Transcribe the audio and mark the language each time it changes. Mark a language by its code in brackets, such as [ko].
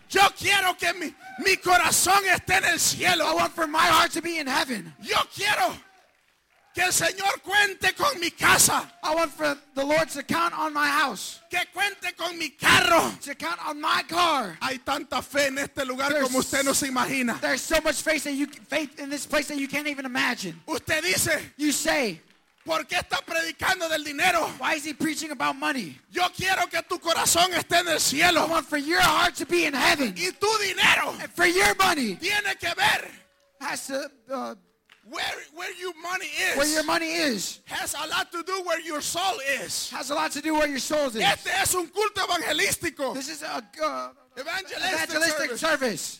[es] Yo quiero que mi corazón esté en el cielo. [en] I want for my heart to be in heaven. [es] Yo quiero que el Señor cuente con mi casa. [en] I want for the Lord to count on my house. [es] Que cuente con mi carro. [en] To count on my car. [es] Hay tanta fe en este lugar como usted no se imagina. [en] There's so much faith in this place that you can't even imagine. [es] Usted dice. [en] You say. [es] ¿Por qué está predicando del dinero? [en] Why is he preaching about money? [es] Yo quiero que tu corazón esté en el cielo. [en] I want for your heart to be in heaven. [es] Y tu dinero. [en] And for your money. [es] Tiene que ver. [en] Has to. Where your money is. Where your money is. Has a lot to do where your soul is. Has a lot to do where your soul is. [es] Este es un culto evangelístico. [en] This is a evangelistic service.